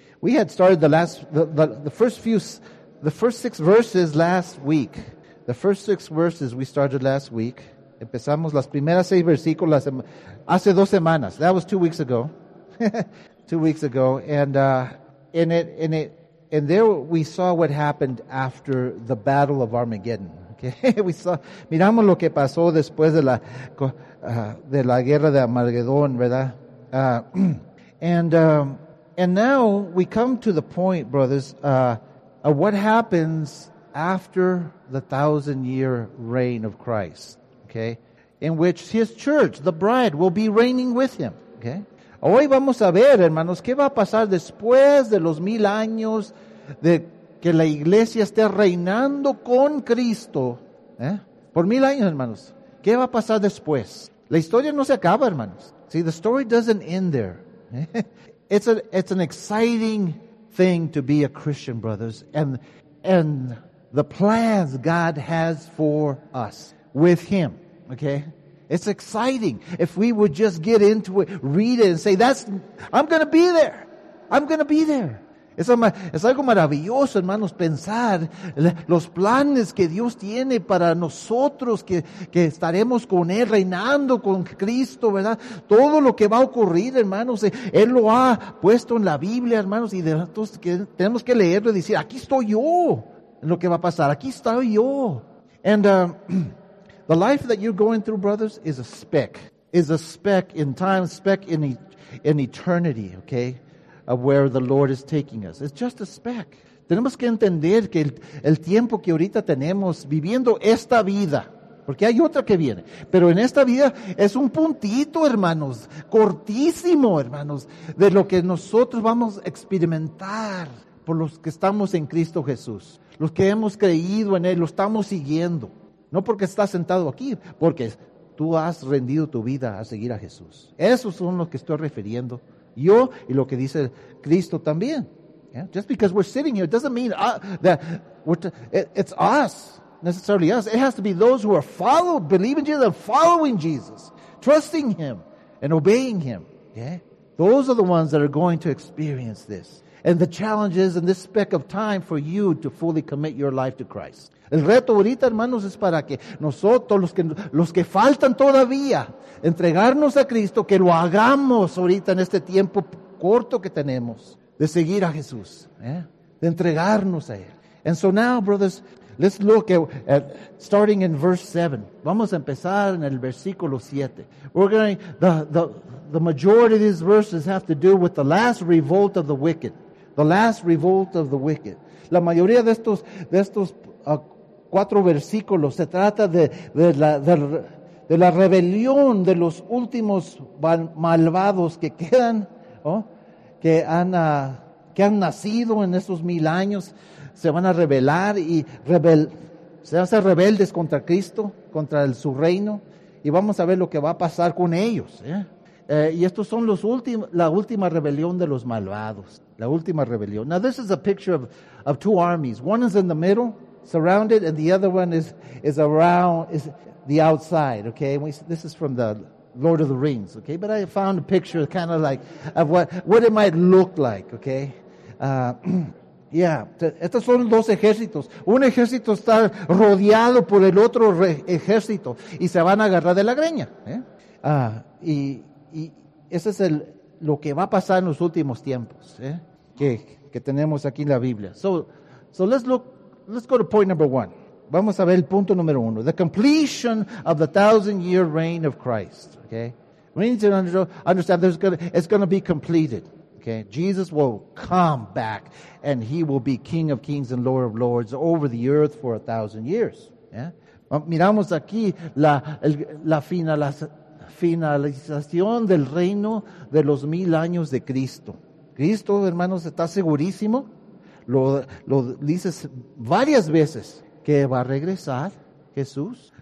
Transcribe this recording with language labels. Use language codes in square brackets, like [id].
[en] We had started the first six verses last week. [es] Empezamos las primeras seis versículos hace dos semanas. [en] That was 2 weeks ago. 2 weeks ago. And there we saw what happened after the Battle of Armageddon. Okay? [es] Miramos lo que pasó después de la guerra de Armagedón, ¿verdad? [en] And now we come to the point, brothers, of what happens after the thousand-year reign of Christ, okay, in which his church, the bride, will be reigning with him, okay? [es] Hoy vamos a ver, hermanos, qué va a pasar después de los mil años de que la iglesia esté reinando con Cristo, ¿eh? Por mil años, hermanos, qué va a pasar después. La historia no se acaba, hermanos. [en] See, the story doesn't end there. It's an exciting thing to be a Christian, brothers, and the plans God has for us with Him. Okay, it's exciting if we would just get into it, read it, and say, "I'm going to be there." [es] Es algo maravilloso, hermanos, pensar los planes que Dios tiene para nosotros, que estaremos con Él, reinando con Cristo, ¿verdad? Todo lo que va a ocurrir, hermanos, Él lo ha puesto en la Biblia, hermanos, y nosotros tenemos que leerlo y decir, aquí estoy yo en lo que va a pasar, aquí estoy yo. [en] And the life that you're going through, brothers, is a speck in time, speck in eternity, okay? Of where the Lord is taking us. It's just a speck. [es] Tenemos que entender que el tiempo que ahorita tenemos viviendo esta vida, porque hay otra que viene, pero en esta vida es un puntito, hermanos, cortísimo, hermanos, de lo que nosotros vamos a experimentar por los que estamos en Cristo Jesús, los que hemos creído en Él, lo estamos siguiendo. No porque estás sentado aquí, porque tú has rendido tu vida a seguir a Jesús. Esos son los que estoy refiriendo. Yo y lo que dice Cristo también. Yeah? [en] Just because we're sitting here doesn't mean it's us, necessarily us. It has to be those who are following, believing Jesus and following Jesus, trusting Him and obeying Him. Yeah? Those are the ones that are going to experience this. And the challenge is in this speck of time for you to fully commit your life to Christ. [es] El reto ahorita, hermanos, es para que nosotros, los que faltan todavía, entregarnos a Cristo, que lo hagamos ahorita en este tiempo corto que tenemos de seguir a Jesús, ¿eh? De entregarnos a Él. [en] And so now, brothers, let's look at starting in verse 7. [es] Vamos a empezar en el versículo 7. [en] The majority of these verses have to do with the last revolt of the wicked. The last revolt of the wicked. [es] La mayoría de estos cuatro versículos se trata de la rebelión de los últimos malvados que quedan, ¿oh? que han nacido en estos mil años, se van a rebelar y se hacen rebeldes contra Cristo, contra su reino, y vamos a ver lo que va a pasar con ellos, ¿eh? Y estos son la última rebelión de los malvados, la última rebelión. [en] Now this is a picture of two armies. One is in the middle, surrounded, and the other one is the outside. Okay, this is from the Lord of the Rings. Okay, but I found a picture kind of like of what it might look like. [es] Okay, estos son dos ejércitos. Un ejército está rodeado por el otro ejército y se van a agarrar de la greña. Y ese es lo que va a pasar en los últimos tiempos, ¿eh? que tenemos aquí en la Biblia. [en] So let's go to point number one. [es] Vamos a ver el punto número uno. [en] The completion of the thousand-year reign of Christ. Okay, we need to understand that it's going to be completed. Okay, Jesus will come back and He will be King of Kings and Lord of Lords over the earth for 1,000 years. Yeah? [es] Miramos aquí la finalización del reino de los mil años de Cristo. Cristo, hermanos, está segurísimo. Lo dices varias veces que va a regresar Jesús.